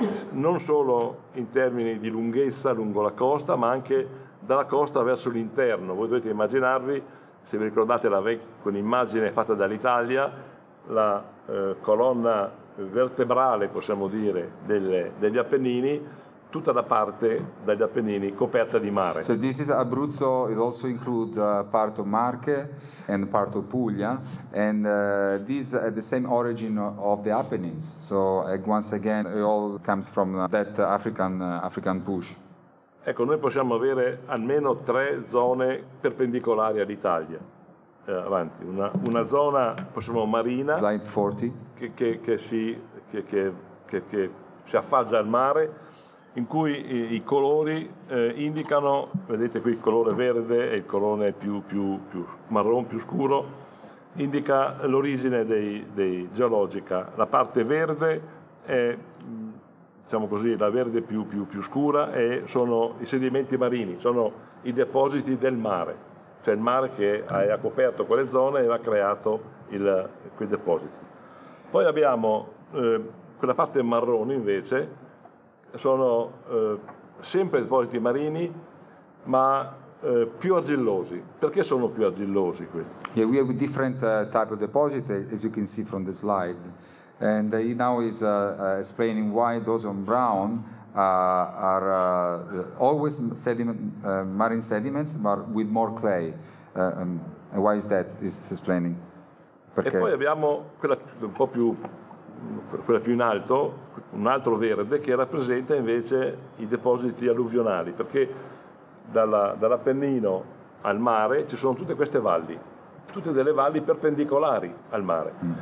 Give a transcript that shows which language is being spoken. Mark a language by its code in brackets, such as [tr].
[it] Non solo in termini di lunghezza lungo la costa, ma anche dalla costa verso l'interno. Voi dovete immaginarvi, se vi ricordate la un'immagine fatta dall'Italia, la colonna vertebrale, possiamo dire, degli Appennini, tutta la parte dagli Appennini coperta di mare. [en] So this is Abruzzo, it also includes part of Marche and part of Puglia, and these are the same origin of the Apennines. So once again, it all comes from that African push. [it] Ecco, noi possiamo avere almeno tre zone perpendicolari all'Italia. Avanti, una zona, possiamo marina, [en] slide 40. [it] Che si affaggia al mare, in cui i colori indicano, vedete qui il colore verde e il colore più marrone, più scuro, indica l'origine dei geologica. La parte verde è, diciamo così, la verde più scura, e sono i sedimenti marini, sono i depositi del mare, cioè il mare che ha coperto quelle zone e ha creato quei depositi. Poi abbiamo quella parte marrone, invece, sono sempre depositi marini, ma più argillosi. Perché sono più argillosi qui? [en] Yeah, we have a different type of deposit, as you can see from the slide. And he now is explaining why those on brown are always marine sediments, but with more clay. And why is that? He's explaining. [it] Perché. E poi abbiamo quella più in alto, un altro verde che rappresenta invece i depositi alluvionali, perché dall'Appennino al mare ci sono tutte queste valli, tutte delle valli perpendicolari al mare.